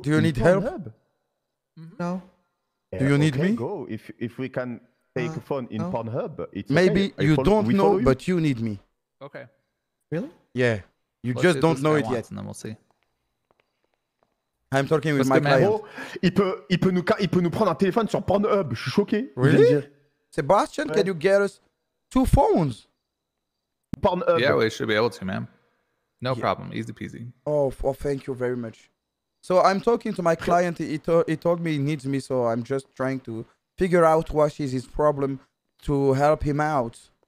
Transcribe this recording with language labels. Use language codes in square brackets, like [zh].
[en] Do you need help? No. Yeah, do you need me? Go. If we can take a phone in Pornhub, it's maybe okay. You don't know, you? But you need me. Okay. Really? Yeah. You well, just don't know it yet. And then we'll see. I'm talking with my client. [fr] Il peut nous prendre un téléphone sur Pornhub. Je suis choqué. [en] Really? Sebastian, can you get us two phones? Pornhub. Yeah, we should be able to, man. No problem. Easy peasy. Oh, well, thank you very much. So I'm talking to my client. He told me he needs me, so I'm just trying to figure out what is his problem to help him out.